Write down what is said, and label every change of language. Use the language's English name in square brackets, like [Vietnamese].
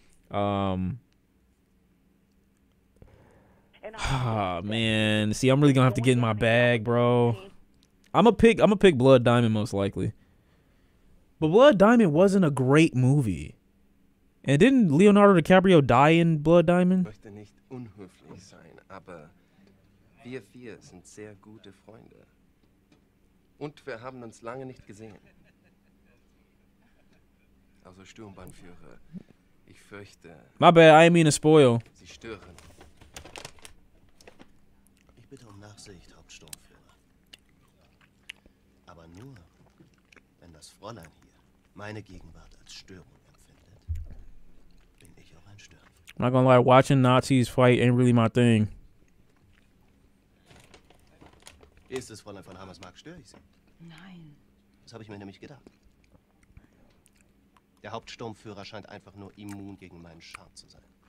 [English] Man, see, I'm really gonna have to get in my bag, bro. I'm a pick Blood Diamond most likely. But Blood Diamond wasn't a great movie. And didn't Leonardo DiCaprio die in Blood Diamond? [German] Ich möchte nicht unhöflich sein, aber wir vier sind sehr gute Freunde. Und wir haben uns lange nicht gesehen. Also Sturmbannführer, ich fürchte. [English] My bad, I ain't mean to spoil. [German] Sie stören. Ich bitte um Nachsicht, Hauptsturmführer. Aber nur, wenn das Fräulein hier meine Gegenwart als Störung empfindet, bin ich auch ein Störer. [English] I'm not gonna lie, watching Nazis fight ain't really my thing. [German] Ist es Fräulein von Hammersmark, störe ich Sie? Nein. Das habe ich mir nämlich gedacht. Der Hauptsturmführer scheint einfach nur immun gegen meinen Charme zu sein.